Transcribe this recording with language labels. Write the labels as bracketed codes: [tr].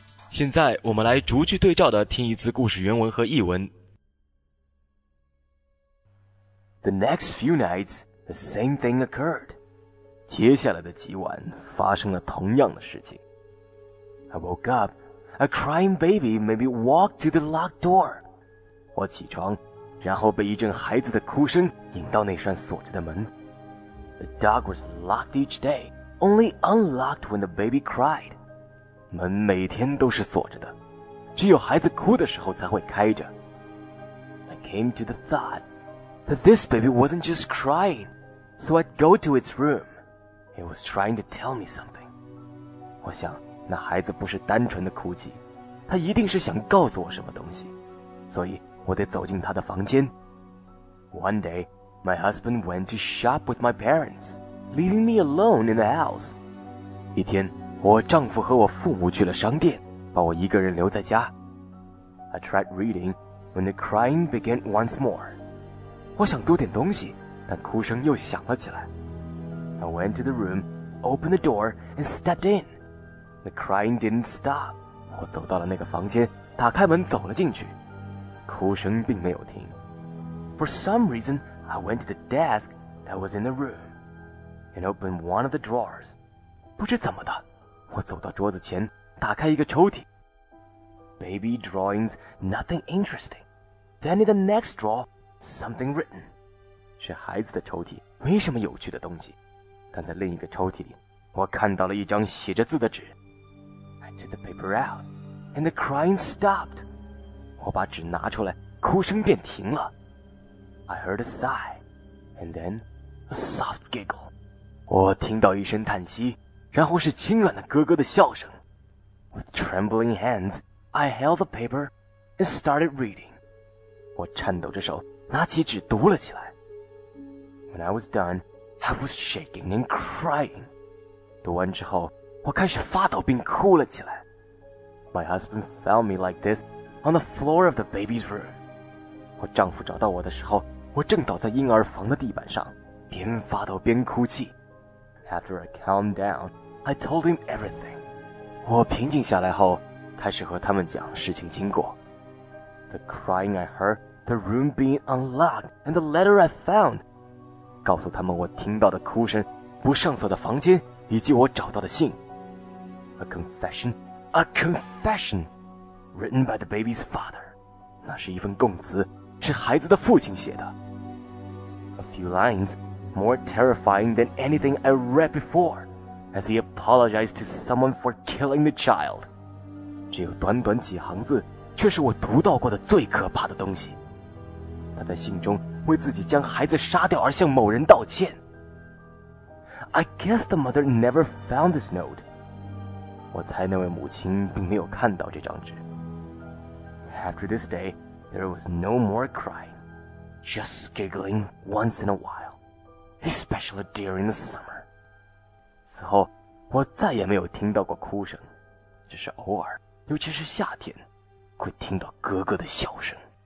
[zh] 现在，我们来逐句对照的听一次故事原文和译文。 [en] The next few nights, the same thing occurred. [zh] 接下来的几晚发生了同样的事情。 [en] I woke up, a crying baby made me walk to the locked door. [zh] 我起床，然后被一阵孩子的哭声引到那扇锁着的门。 [en] The dog was locked each day, only unlocked when the baby cried. [zh] 门每天都是锁着的，只有孩子哭的时候才会开着。 [en] I came to the thought that this baby wasn't just crying, so I'd go to its room. It was trying to tell me something. [zh] 我想那孩子不是单纯的哭泣，他一定是想告诉我什么东西，所以我得走进他的房间。 [en] One day, my husband went to shop with my parents, leaving me alone in the house. [zh] 一天，我丈夫和我父母去了商店，把我一个人留在家。 [en] I tried reading when the crying began once more. [zh] 我想读点东西，但哭声又响了起来。 [en] I went to the room, opened the door, and stepped in. The crying didn't stop. [zh] 我走到了那个房间，打开门走了进去，哭声并没有停。 [en] For some reason, I went to the desk that was in the room and opened one of the drawers. [zh] 不知怎么的，我走到桌子前，打开一个抽屉。 [en] Baby drawings, nothing interesting. Then in the next drawer, something written. [zh] 是孩子的抽屉，没什么有趣的东西。但在另一个抽屉里，我看到了一张写着字的纸。 [en] I took the paper out, and the crying stopped. [zh] 我把纸拿出来，哭声便停了。 [en] I heard a sigh, and then a soft giggle. [zh] 我听到一声叹息，然后是轻软的咯咯的笑声。 [en] With trembling hands, I held the paper and started reading. [zh] 我颤抖着手，拿起纸读了起来。 [en] When I was done, I was shaking and crying. [zh] 读完之后，我开始发抖并哭了起来。 [en] My husband found me like this,On the floor of the baby's room. [zh] 我丈夫找到我的时候，我正倒在婴儿房的地板上，边发抖边哭泣。 [en] After I calmed down, I told him everything. [zh] 我平静下来后，开始和他们讲事情经过。 [en] The crying I heard, the room being unlocked, and the letter I found. [zh] 告诉他们我听到的哭声，不上锁的房间，以及我找到的信。 [en] A confession, a confession. Written by the baby's father. [zh] 那是一份供词，是孩子的父亲写的。 [en] A few lines, more terrifying than anything I read before, as he apologized to someone for killing the child. [zh] 只有短短几行字，却是我读到过的最可怕的东西。他在信中为自己将孩子杀掉而向某人道歉。 [en] I guess the mother never found this note. [zh] 我猜那位母亲并没有看到这张纸。 [en] After this day, there was no more crying, just giggling once in a while, especially during the summer. [zh] 此后，我再也没有听到过哭声，只是偶尔，尤其是夏天，会听到咯咯的笑声。